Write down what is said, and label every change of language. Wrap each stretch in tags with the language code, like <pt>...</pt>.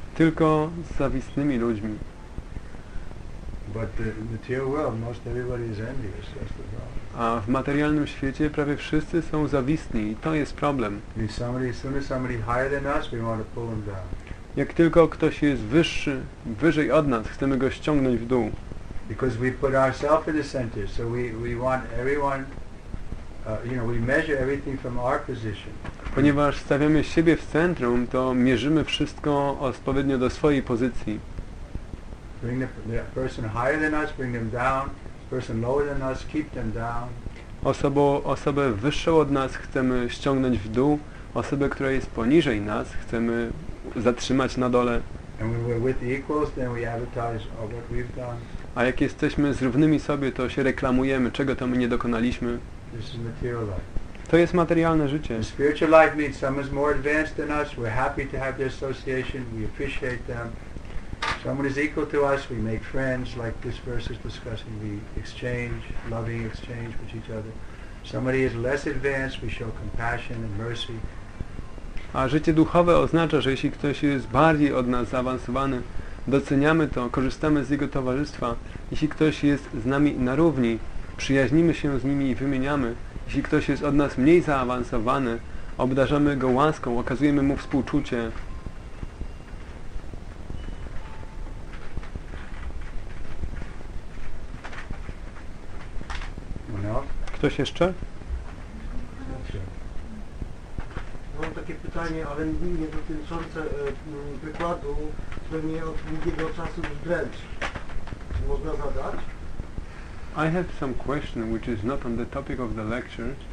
<pl>Tylko z zawistnymi ludźmi.</pl> <en>But the material world, most everybody is envious. That's the problem.</en> <pl>A w materialnym świecie prawie wszyscy są zawistni i to jest problem.</pl> <en>Somebody higher than us, we want to pull them down.</en> <pl>Jak tylko ktoś jest wyższy, wyżej od nas, chcemy go ściągnąć w dół.</pl> <en>Because we put ourselves in the center, so we want everyone, you know, we measure everything from our position.</en> <pl>Ponieważ stawiamy siebie w centrum, to mierzymy wszystko odpowiednio do swojej pozycji.</pl> <en>Bring the person higher than us, bring them down. Person lower than us, keep them down.</en> <pl>Osobę wyższą od nas chcemy ściągnąć w dół. Osobę, która jest poniżej nas, chcemy zatrzymać na dole.</pl> <en>And when we're with the equals, then we advertise of what we've done.</en> <pl>A jak jesteśmy z równymi sobie, to się reklamujemy, czego to my nie dokonaliśmy.</pl> <en>This is material life.</en> <pl>To jest materialne życie.</pl> <en>The spiritual life means someone's more advanced than us. We're happy to have their association. We appreciate them. someone is equal to us, we make friends, like this verse is discussing, we exchange, loving exchange with each other. Somebody is less advanced, we show compassion and mercy.</en> <pl>A życie duchowe oznacza, że jeśli ktoś jest bardziej od nas zaawansowany, doceniamy to, korzystamy z jego towarzystwa. Jeśli ktoś jest z nami na równi, przyjaźnimy się z nimi i wymieniamy. Jeśli ktoś jest od nas mniej zaawansowany, obdarzamy go łaską, okazujemy mu współczucie. Ktoś jeszcze? Mam takie pytanie, ale nie dotyczące wykładu, to mnie od długiego czasu wdręcz. Czy można zadać?</pl> <en>I have some question which is not on the topic of the lecture.</en>